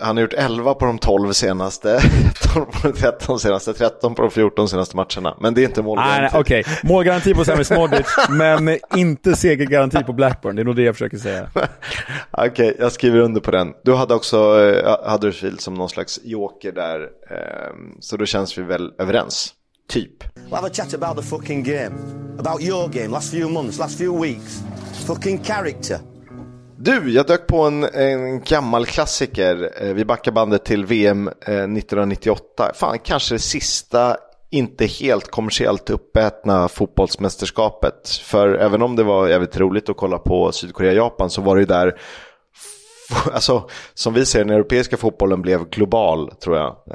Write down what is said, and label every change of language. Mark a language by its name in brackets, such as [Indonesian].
[Swedish] Han har gjort 11 på de 12 senaste. 13 på de 14 senaste matcherna. Men det är inte målgaranti. Nej, okej. Okay. Målgaranti på Samis Modric, men inte segergaranti på Blackburn. Det är nog det jag försöker säga. Okej, okay, jag skriver under på den. Du hade också Huddersfield som någon slags joker där. Så då känns vi väl överens. Typ. [English] We'll have a chat about the fucking game. About your game, last few months, last few weeks. Fucking character. [Swedish] Du, jag dök på en gammal klassiker. Vi backar bandet till VM 1998. Fan, kanske det sista, inte helt kommersiellt uppätna fotbollsmästerskapet. För även om det var jävligt roligt att kolla på Sydkorea-Japan, så var det ju där, alltså, som vi ser, den europeiska fotbollen blev global, tror jag.